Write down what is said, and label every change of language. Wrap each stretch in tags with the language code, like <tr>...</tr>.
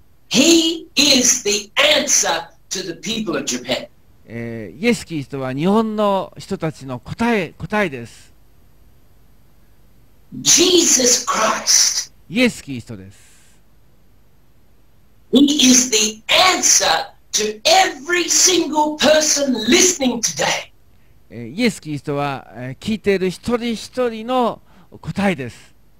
<en>He is the answer to the people of Japan.</en> <ja>イエス・キリストは日本の人たちの答えです。</ja> <en>Jesus Christ.</en> <ja>イエス・キリストです。</ja> <en>He is the answer to every single person listening today.</en> <ja>イエス・キリストは聞いている一人一人の答えです。</ja>